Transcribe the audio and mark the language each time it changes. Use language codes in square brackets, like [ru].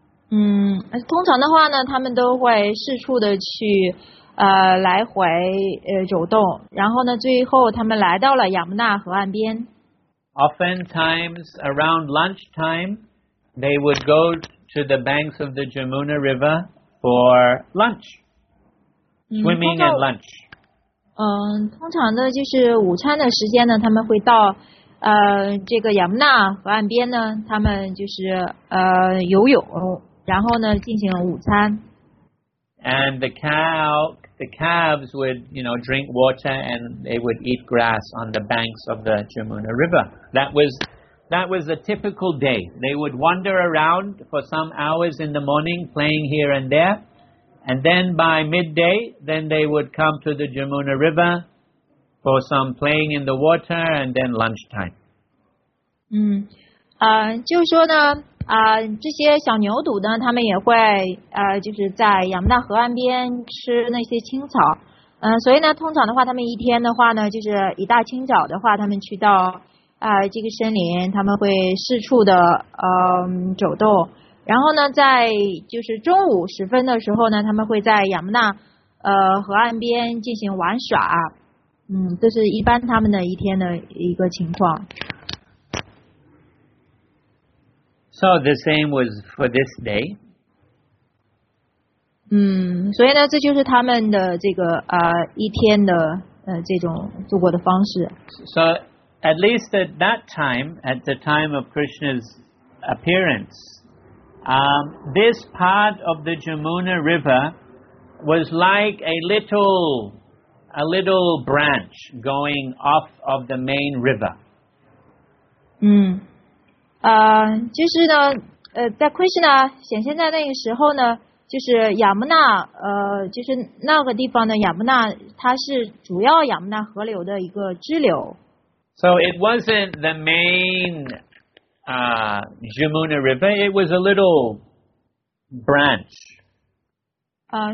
[zh] 通常的话呢，他们都会四处的去来回走动，然后呢，最后他们来到了亚姆纳河岸边。 [en] Oftentimes, around lunchtime, they would go to the banks of the Jamuna River for lunch, swimming and lunch. [zh] 通常呢，就是午餐的时间呢，他们会到，这个亚姆纳河岸边呢，他们就是游泳，然后呢进行午餐。 [en] And the calves would, you know, drink water and they would eat grass on the banks of the Jamuna River. That was a typical day. They would wander around for some hours in the morning, playing here and there. And then by midday, then they would come to the Jamuna River for some playing in the water, and then lunchtime. [zh] 就说呢，这些小牛犊呢，他们也会就是在亚姆纳河岸边吃那些青草。所以呢，通常的话，他们一天的话呢，就是一大清早的话，他们去到这个森林，他们会四处的走动。然后呢，在就是中午时分的时候呢，他们会在亚姆纳河岸边进行玩耍，这是一般他们的一天的一个情况。 [en] So the same was for this day. [zh] 所以呢，这就是他们的这个一天的这种度过的方式。 [en] So at least at that time, at the time of Krishna's appearance. This part of the Jamuna River was like a little branch going off of the main river. [zh] 就是呢，在 Krishna 显现在那个时候呢，就是亚姆纳，就是那个地方的亚姆纳，它是主要亚姆纳河流的一个支流。 [en] So it wasn't the main. Jamuna River, it was a little branch.